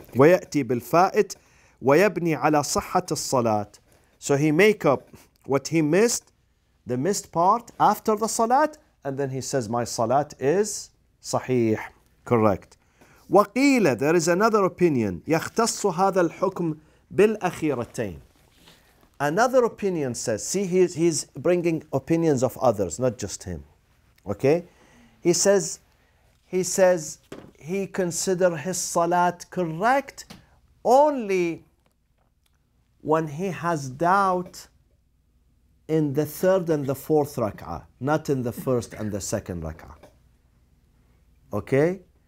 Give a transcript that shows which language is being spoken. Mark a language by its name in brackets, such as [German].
[Arabic] وَيَأْتِي بِالْفَائِتْ وَيَبْنِي عَلَىٰ صَحَّةِ الصَّلَاةِ. [English] So he make up what he missed, the missed part after the salat, and then he says, my salat is [Arabic] صحيح, [English] correct. [Arabic] وقيل, [English] there is another opinion. [Arabic] يختص هذا الحكم بالأخيرتين. [English] Another opinion says, see, he's bringing opinions of others, not just him. Okay? He says, he consider his salat correct only when he has doubt in the third and the fourth rak'ah, not in the first and the second rak'ah. Okay?